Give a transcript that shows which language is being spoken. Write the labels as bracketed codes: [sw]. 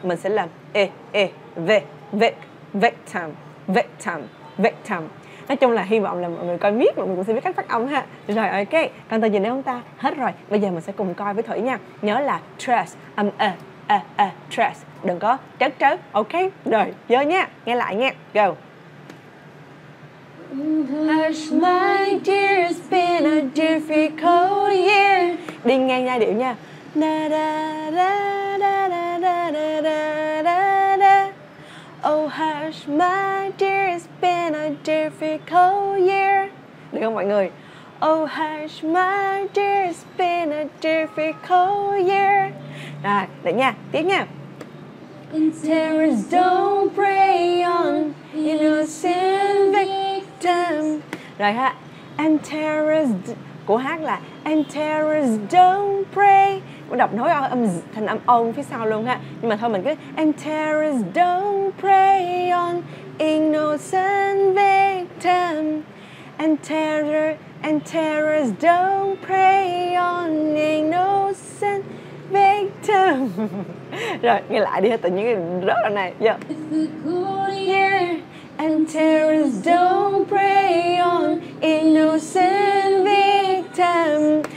[vi] Mình sẽ là e, e, v, vic, victim, victim, victim. Nói chung là hy vọng là mọi người coi miết, mọi người cũng sẽ biết cách phát âm ha. Rồi ok, còn tờ gì nữa không ta? Hết rồi, bây giờ mình sẽ cùng coi với Thủy nha. Nhớ là trust, âm e, e, e, trust. Đừng có chớt chớt, ok? Rồi, vô nha, nghe lại nha, go. [en] Hush my dear, it's been a difficult year. [vi] Đi ngang giai điệu nha. Da da da da da da da da da da. [en] Oh hush my dear, it's been a difficult year. [vi] Được không mọi người? [en] Oh hush my dear, it's been a difficult year. [vi] Rồi, được nha, tiếp nha. [en] And terrors don't prey on innocent victims. [vi] Rồi ha. [en] And terrors [vi] của hát là [en] and terrors don't prey. [vi] Mình đọc nối âm thành âm ông phía sau luôn ha. Nhưng mà thôi mình cứ [en] and terrors don't prey on innocent victims. And terrors don't prey on innocent victim. [vi] Rồi nghe lại đi, tự nhiên rớt rồi này. [en] Yeah. Difficult year and terrors don't prey on innocent victim.